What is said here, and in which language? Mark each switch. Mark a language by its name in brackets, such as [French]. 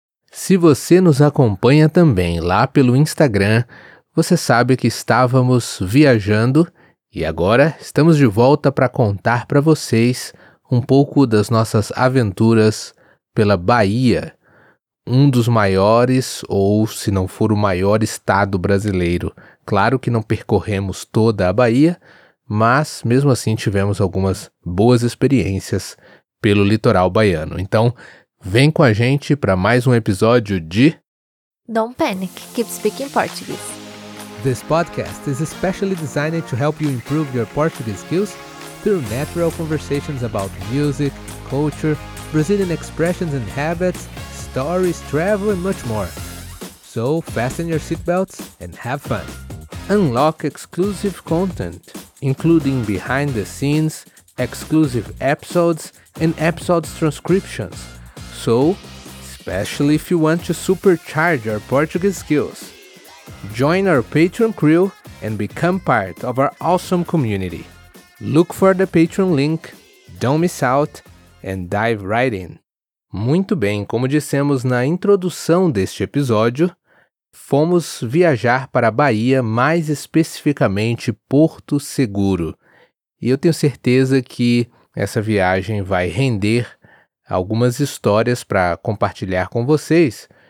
[Portuguese] Se você nos acompanha também lá pelo Instagram, você sabe que estávamos viajando e agora estamos de volta para contar para vocês um pouco das nossas aventuras pela Bahia, um dos maiores, ou se não for o maior estado brasileiro. Claro que não percorremos toda a Bahia, mas mesmo assim tivemos algumas boas experiências pelo litoral baiano. Então, vem com a gente para mais um episódio de... [English] Don't panic, keep speaking Portuguese. This podcast is especially designed to help you improve your Portuguese skills through natural conversations about music, culture, Brazilian expressions and habits, stories, travel and much more. So, fasten your seatbelts and have fun. Unlock exclusive content, including behind the scenes, exclusive episodes and episode transcriptions. So, especially if you want to supercharge your Portuguese skills, join our Patreon crew and become part of our awesome community. Look for the Patreon link, don't miss out, and dive right in. [Portuguese] Muito bem, como dissemos na introdução deste episódio, fomos viajar para a Bahia, mais especificamente Porto Seguro. E eu tenho certeza que essa viagem vai render algumas histórias para compartilhar com vocês.